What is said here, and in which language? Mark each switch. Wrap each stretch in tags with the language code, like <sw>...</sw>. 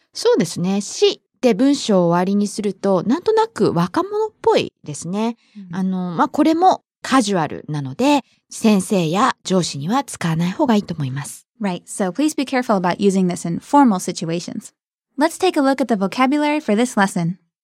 <ja>そうですね。しって文章を終わりにすると、なんとなく若者っぽいですね。まあ、これもカジュアルなので、先生や上司には使わない方がいいと思います。</ja> <en>Right, so please be careful about using this in formal situations. Let's take a look at the vocabulary for this lesson.</en>